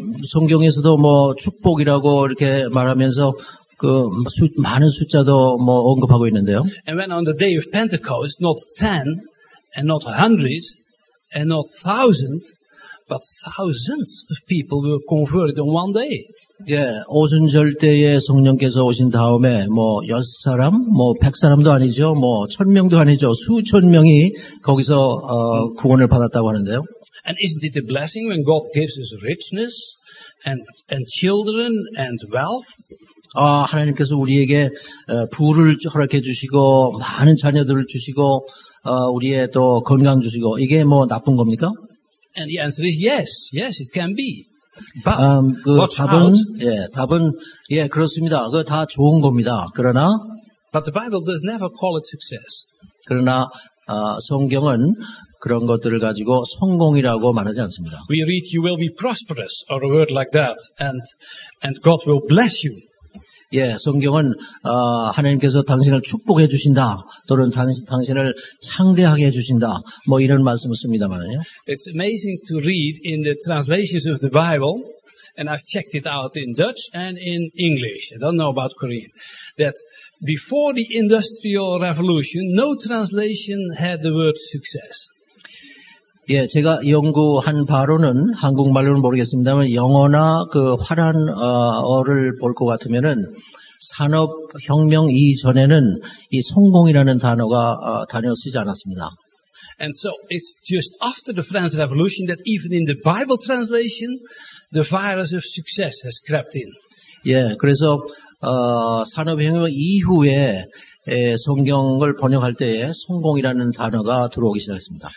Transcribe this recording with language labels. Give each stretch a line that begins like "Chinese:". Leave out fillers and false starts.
Korean: 성경에서도 뭐 축복이라고 이렇게 말하면서 그 많은 숫자도 뭐 언급하고 있는데요.
English: And when on the day of Pentecost, not 10 and not hundreds and not thousands, but thousands of people were converted on one day.
Korean: 예, 오순절 때에 성령께서 오신 다음에 뭐 열 사람, 뭐 백 사람도 아니죠, 뭐 천 명도 아니죠, 수천 명이 거기서 구원을 받았다고 하는데요.
English: And isn't it a blessing when God gives us richness and children and wealth?
Korean: 아, 하나님께서 우리에게 부를 허락해 주시고 많은 자녀들을 주시고 우리의 또 건강 주시고 이게 뭐 나쁜 겁니까?
English: And the answer is yes, yes, it can be.
Korean: But 그 답은 out. 예, 답은 예, 그렇습니다. 그 다 좋은 겁니다. 그러나
English: But the Bible does never call it success.
Korean: 그러나 성경은 그런 것들을 가지고 성공이라고 말하지 않습니다.
English: We read you will be prosperous or a word like that and God will bless you.
Korean: 예, 성경은 하나님께서 당신을 축복해 주신다 또는 당신을 상대하게 해 주신다 뭐 이런 말씀을 씁니다만요.
English: It's amazing to read in the translations of the Bible, and I've checked it out in Dutch and in English. I don't know about Korean. That before the Industrial Revolution, no translation had the word success.
Korean: 예, 제가 연구한 바로는 한국말로는 모르겠습니다만 영어나 그 화란어를 볼 것 같으면은 산업혁명 이전에는 이 성공이라는 단어가 단어 쓰지 않았습니다.
English: And so it's just after the French Revolution that even in the Bible translation, the virus of success has crept in.
Korean: 예, 그래서 산업혁명 이후에 성경을 번역할 때에 성공이라는 단어가 들어오기 시작했습니다.